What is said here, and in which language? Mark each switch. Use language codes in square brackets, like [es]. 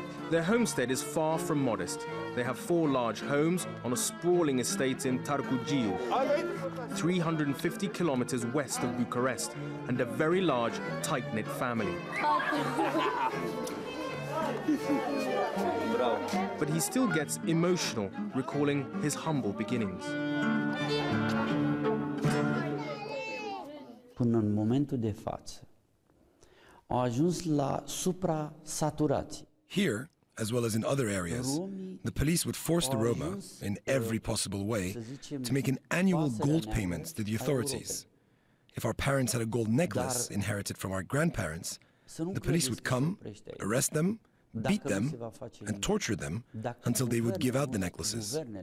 [en] Their homestead is far from modest. They have four large homes on a sprawling estate in Târgu Jiu, 350 kilometers west of Bucharest, and a very large, tight-knit family. But he still gets emotional, recalling his humble beginnings. [ro] Până în momentul de față, au ajuns la supra-saturație. [en] Here, as well as in other areas, the police would force the Roma, in every possible way, to make an annual gold payment to the authorities. If our parents had a gold necklace inherited from our grandparents, the police would come, arrest them, beat them, and torture them until they would give out the necklaces.